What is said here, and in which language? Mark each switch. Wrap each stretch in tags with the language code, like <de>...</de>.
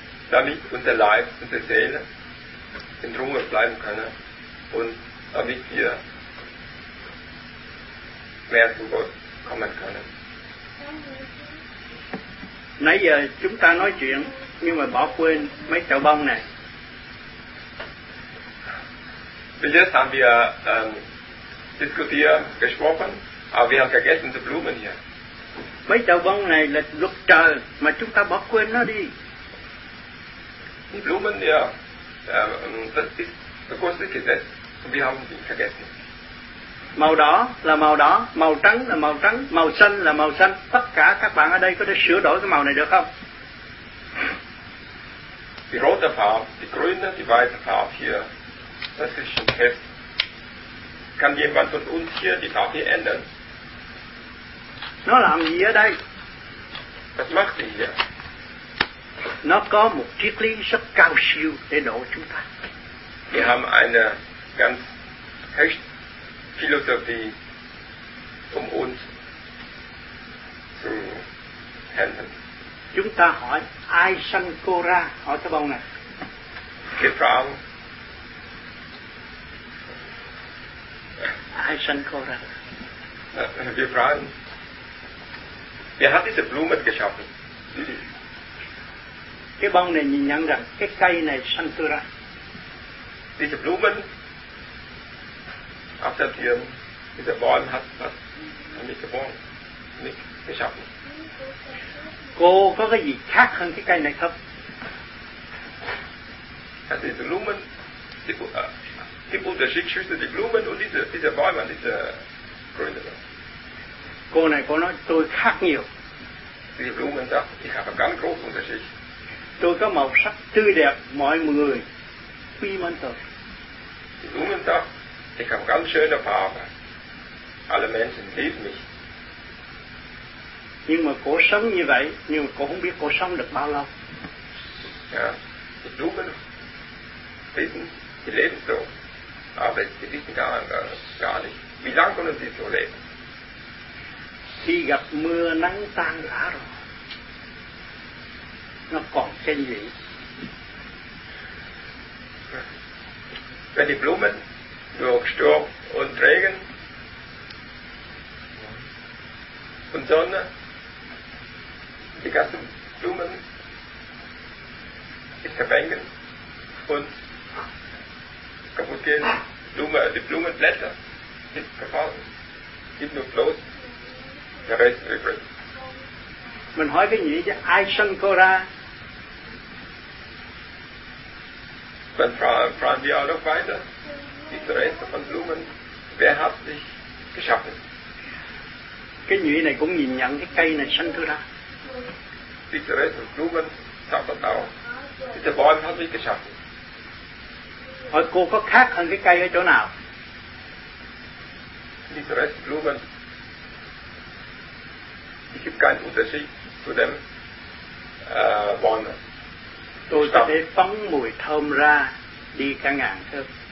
<de>Damit unser Leib, unsere Seele in Ruhe bleiben können und damit wir mehr zu Gott kommen können.</de> <vi>Nãy giờ chúng ta nói chuyện nhưng mà bỏ quên mấy chậu bông này.</vi> <de>Bis jetzt haben wir diskutiert, gesprochen, aber wir haben vergessen die Blumen hier.</de> <vi>Mấy chậu bông này là luật trời mà chúng ta bỏ quên nó đi.</vi> <de>Die Blumen, ja, das ist der große Gesetz. Wir haben sie vergessen.</de> <vi>Màu đỏ là màu đỏ, màu trắng là màu trắng, màu xanh là màu xanh. Tất cả các bạn ở đây có thể sửa đổi cái màu này được không?</vi> <de>Die rote Farbe, die grüne, die weiße Farbe hier, das ist schon fest. Kann jemand von uns hier die Farbe hier ändern?</de> <vi>Nó làm gì ở đây?</vi> <de>Was macht sie hier?</de> <vi>Nó có một triết lý rất cao siêu để độ chúng ta.</vi> <de>Wir haben eine ganz höchste Philosophie, um uns zu helfen.</de> <vi>Chúng ta hỏi ai sanh cô ra, hỏi cái bông này.</vi> <de>Die Frau.</de> <vi>Ai sanh cô ra?</vi> <de>Die Frau. Wer hat diese Blumen geschaffen?</de> <vi>Cái bông này nhìn nhận rằng cái cây này sanh tôi ra.</vi> <de>Diese Blumen auf der Tür, diese Bäume hat das nicht geboren, nicht geschaffen.</de> <vi>Cô có cái gì khác hơn cái cây này không?</vi> <de>Hat diese Blumen, die Unterschied zwischen die Blumen und diese Bäume und diese Gründe.</de> <vi>Cô này cô nói tôi khác nhiều.</vi> <de>Diese Blumen sagt, ich habe ganz großen Unterschied.</de> <vi>Tôi có màu sắc tươi đẹp mọi người quy mến tôi.</vi> <de>Die Blumen sagt, ich habe ganz schöne Farbe. Alle Menschen lieben mich.</de> <vi>Nhưng mà cô sống như vậy, nhưng mà cô không biết cô sống được bao lâu.</vi> <de>Ja, die Blumen wissen, sie leben so, aber sie wissen gar nicht, wie lange können sie so leben.</de> <vi>Khi gặp mưa nắng tan lá rồi, nó còn cái gì?</vi> <de>Wenn die Blumen durch Sturm und Regen und Sonne die ganzen Blumen verwelken und kaputt gehen, die Blumenblätter sind gefallen, sind nur bloß der Rest übrig.</de> <vi>Mình hỏi cái gì? Ai sanh cô ra?</vi> <de>Dann fragen wir auch noch weiter. Diese Reste von Blumen, wer hat sich geschaffen?</de> <vi>Cái nhụy này cũng nhìn nhận cái cây này sanh tôi ra.</vi> <de>Diese Reste von Blumen, sagt das auch. Diese Bäume hat sich geschaffen.</de> <vi>Hỏi cô có khác hơn cái cây ở chỗ nào?</vi> <de>Diese Reste von Blumen, es gibt keinen Unterschied zu dem Bäumen.</de> <vi>Tôi có thể phóng mùi thơm ra đi cả ngàn thước.</vi>